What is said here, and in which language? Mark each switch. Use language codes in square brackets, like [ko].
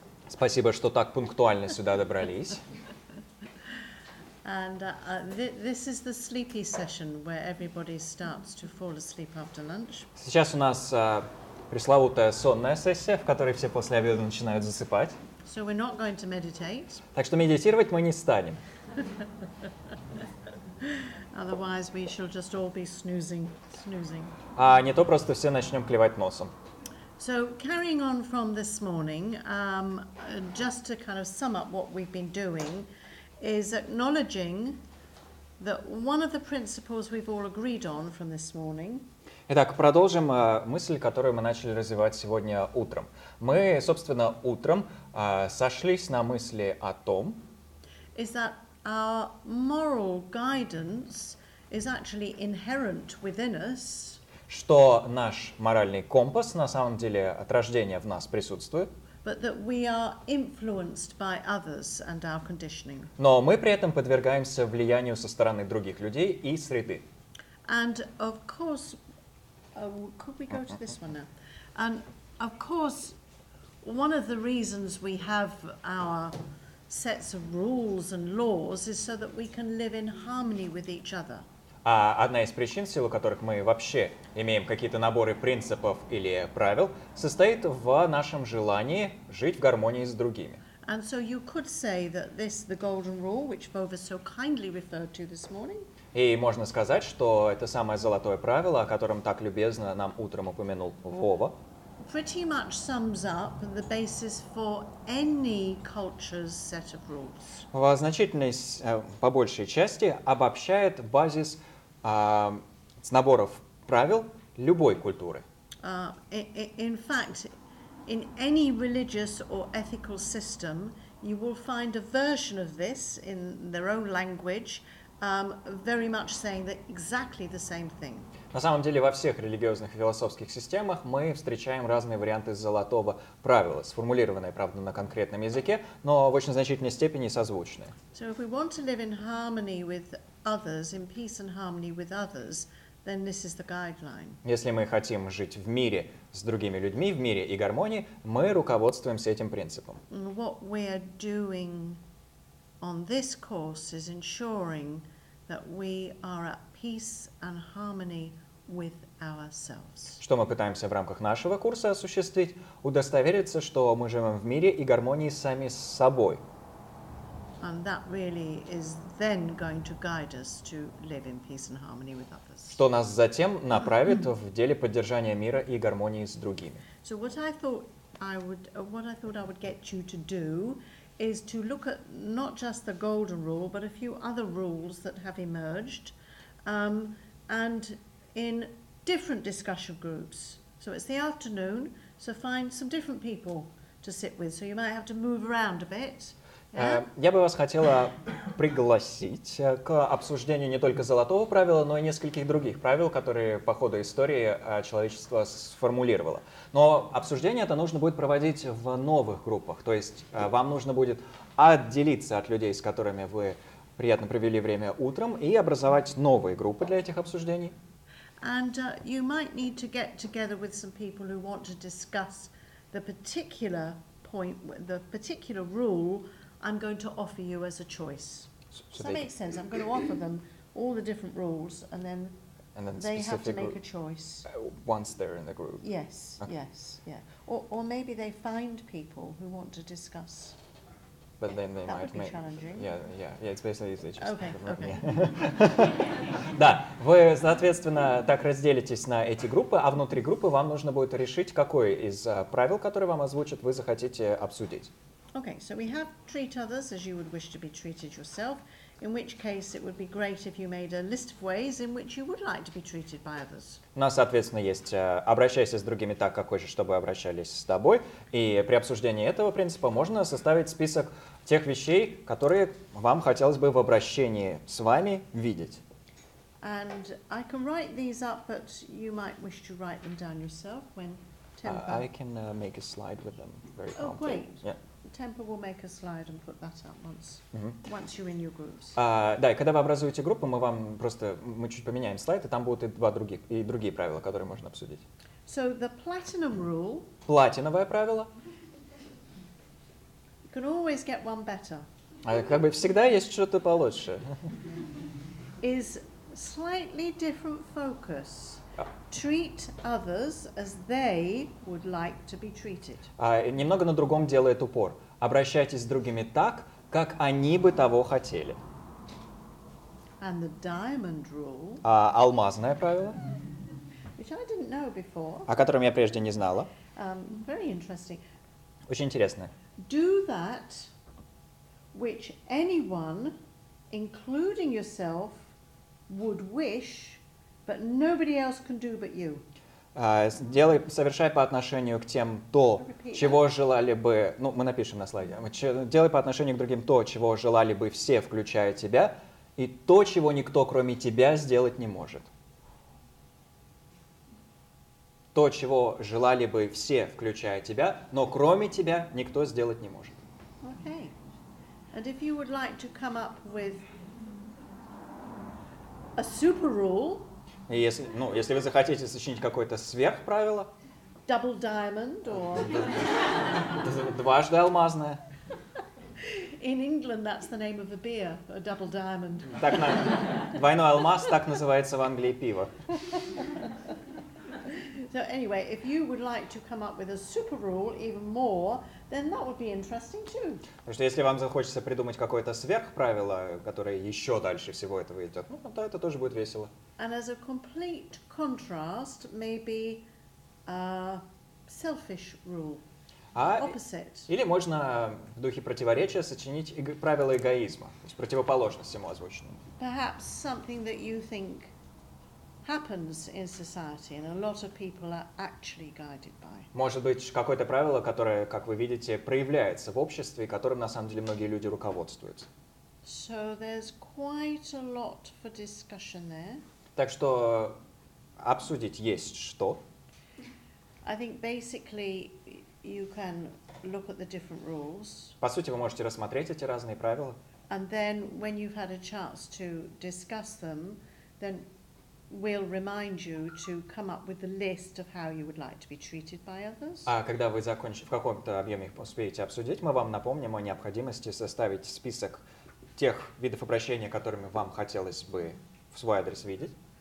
[ru] Спасибо, что так пунктуально сюда добрались. [en] And this is the sleepy session where everybody starts to fall asleep after lunch. [ru] Сейчас у нас пресловутая сонная сессия, в которой все после обеда начинают засыпать. [en] So we're not going to meditate. [ru] Так что медитировать мы не станем. [en] Otherwise, we shall just all be snoozing. [ru] А не то просто все начнем клевать носом. [en] So, carrying on from this morning, just to kind of sum up what we've been doing, is acknowledging that one of the principles we've all agreed on from this morning. [ru] Итак, продолжим мысль, которую мы начали развивать сегодня утром. Мы, собственно, утром сошлись на мысли о том, [en] is that our moral guidance is actually inherent within us, [ru] что наш моральный компас на самом деле от рождения в нас присутствует, [en] but that we are influenced by others and our conditioning. [ru] Но мы при этом подвергаемся влиянию со стороны других людей и среды. [en] And of course, could we go to this one now? And of course, one of the reasons we have our sets of rules and laws is so that we can live in harmony with each other. [ru] А одна из причин, в силу которых мы вообще имеем какие-то наборы принципов или правил, состоит в нашем желании жить в гармонии с другими. [en] And so you could say that this the golden rule, which Bova so kindly referred to this morning. [ru] И можно сказать, что это самое золотое правило, о котором так любезно нам утром упомянул Вова. [en] Pretty much sums up the basis for any culture's set of rules. [ru] Во значительной, по большей части, обобщает базис наборов правил любой культуры. [en] In fact, in any religious or ethical system, you will find a version of this in their own language, very much saying that exactly the same thing. [ru] На самом деле, во всех религиозных и философских системах мы встречаем разные варианты золотого правила, сформулированные, правда, на конкретном языке, но в очень значительной степени созвучные. [en] So if we want to live in harmony with others, in peace and harmony with others, then this is the guideline. [ru] Если мы хотим жить в мире с другими людьми, в мире и гармонии, мы руководствуемся этим принципом. [en] What we are doing on this course is ensuring that we are at peace and harmony with ourselves. [ru] Что мы пытаемся в рамках нашего курса осуществить? Удостовериться, что мы живем в мире и гармонии сами с собой. [en] And that really is then going to guide us to live in peace and harmony with others. [ru] Что нас затем направит в деле поддержания мира и гармонии с другими. [en] So what I thought I would get you to do is to look at not just the golden rule, but a few other rules that have emerged. And in different discussion groups. So it's the afternoon, so find some different people to sit with. So you might have to move around a bit. Yeah? [ru] Я бы вас хотела пригласить к обсуждению не только золотого правила, но и нескольких других правил, которые по ходу истории человечество сформулировало. Но обсуждение это нужно будет проводить в новых группах. То есть вам нужно будет отделиться от людей, с которыми вы приятно провели время утром, и образовать новые группы для этих обсуждений. [en] And you might need to get together with some people who want to discuss the particular point, the particular rule I'm going to offer you as a choice. So that makes sense. I'm going to offer them all the different rules, and then, they have to make a choice. Once they're in the group. Yes, okay. Yes, yeah. Or maybe they find people who want to discuss. But then they that might would be challenging. Yeah, it's basically easy. Just okay. [ru] Да, вы, соответственно, так разделитесь на эти группы, а внутри группы вам нужно будет решить, какое из правил, которые вам озвучат, вы захотите обсудить. [en] Okay, so we have treat others as you would wish to be treated yourself, in which case it would be great if you made a list of ways in which you would like to be treated by others. [ru] У нас, соответственно, есть обращайся с другими так, как хочешь, чтобы обращались с тобой. И при обсуждении этого принципа можно составить список тех вещей, которые вам хотелось бы в обращении с вами видеть. [en] And I can write these up, but you might wish to write them down yourself when tempered. I can make a slide with them very promptly. Oh, great. Yeah. Temple will make a slide and put that up once. Mm-hmm. Once you're in your groups. [ru] Да, и когда вы образуете группу, мы вам просто мы чуть поменяем слайд, и там будут и два других и другие правила, которые можно обсудить. [en] So the platinum rule. [ru] Платиновое правило. [en] You can always get one better. [ru] Как бы всегда есть что-то получше. [en] Is slightly different focus. Treat others as they would like to be treated. [ru] Немного на другом делает упор. Обращайтесь с другими так, как они бы того хотели. [en] And the diamond rule. [ru] Алмазное правило. [en] Which I didn't know before. [ru] О котором я прежде не знала. [en] Very interesting. [ru] Очень интересно. [en] Do that which anyone, including yourself, would wish, but nobody else can do but you. [ru] Делай, совершай по отношению к тем то, чего желали бы... Ну, мы напишем на слайде. Делай по отношению к другим то, чего желали бы все, включая тебя, и то, чего никто, кроме тебя, сделать не может. То, чего желали бы все, включая тебя, но кроме тебя никто сделать не может. [en] Okay. And if you would like to come up with a super rule, [ru] если, ну, если вы захотите сочинить какое-то сверхправило, [en] double diamond or... [ru] дважды алмазное. [en] In England that's the name of a beer, a double diamond. [ru] Так, двойной алмаз, так называется в Англии пиво. [en] So anyway, if you would like to come up with a super rule even more, then that would be interesting too. [ru] Потому что если вам захочется придумать какое-то сверхправило, которое еще дальше всего этого идет, ну, то это тоже будет весело. [en] And as a complete contrast, maybe a selfish rule, opposite. [ru] Или можно в духе противоречия сочинить правила эгоизма, то есть противоположность всему озвученному. [en] Perhaps something that you think happens in society, and a lot of people are actually guided by. [ru] Может быть, какое-то правило, которое, как вы видите, проявляется в обществе, которым на самом деле многие люди руководствуются. [en] So there's quite a lot for discussion there. [ru] Так что обсудить есть что. [en] I think basically you can look at the different rules. [ru] По сути, вы можете рассмотреть эти разные правила. [en] And then when you've had a chance to discuss them, then we'll remind you to come up with a list of how you would like to be treated by others. [ru] А когда вы закончите в каком-то объеме их успеете обсудить, мы вам напомним о необходимости составить список тех видов обращения, которыми вам хотелось бы в свой адрес видеть.